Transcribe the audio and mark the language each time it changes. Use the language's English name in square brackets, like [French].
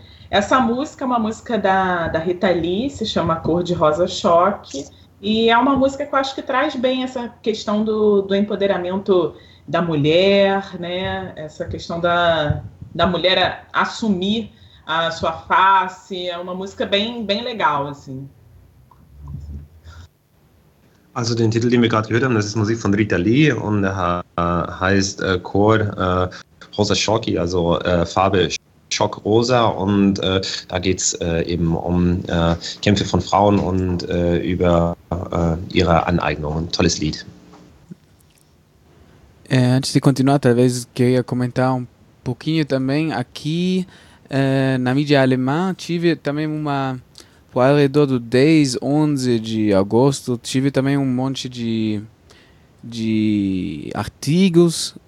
[Portuguese] Essa música é uma música da Rita Lee, se chama Cor de Rosa Choque, e é uma música que eu acho que traz bem essa questão do empoderamento da mulher, né? Essa questão da mulher assumir a sua face. É uma música bem, bem legal, assim. [German] Also den Titel, den wir gerade gehört haben, das ist Musik von Rita Lee und heißt Cor Rosa Choque, also Farbe Schock Rosa, und da geht es eben um Kämpfe von Frauen und über ihre Aneignung. Ein tolles Lied. [Portuguese] Antes de continuar, talvez queria comentar pouquinho também aqui na mídia alemã. Tive também uma, por ao redor do 10, 11 de agosto, tive também monte de artigos.